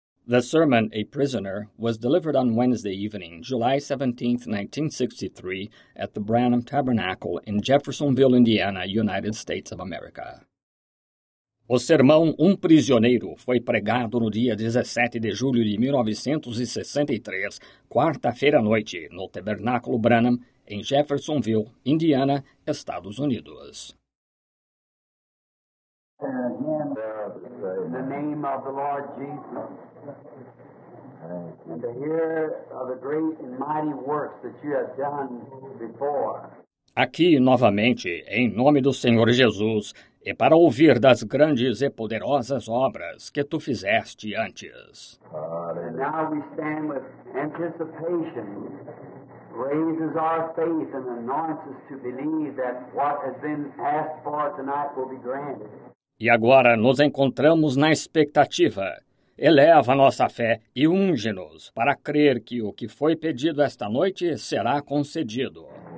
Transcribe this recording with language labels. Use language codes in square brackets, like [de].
[en] The sermon, A Prisoner, was delivered on Wednesday evening, July 17, 1963, at the Branham Tabernacle in Jeffersonville, Indiana, United States of America. [pt] O sermão Um Prisioneiro foi pregado no dia 17 de julho de 1963, quarta-feira à noite, no Tabernáculo Branham, em Jeffersonville, Indiana, Estados Unidos. [en] In the name of the Lord Jesus, and to hear of the great and mighty works that you have done before. [pt] Aqui novamente, em nome do Senhor Jesus, e para ouvir das grandes e poderosas obras que tu fizeste antes. [en] And now we stand with anticipation, raises our faith and anoints us to believe that what has been asked for tonight will be granted. [pt] E agora nos encontramos na expectativa. Eleva nossa fé e unge-nos para crer que o que foi pedido esta noite será concedido.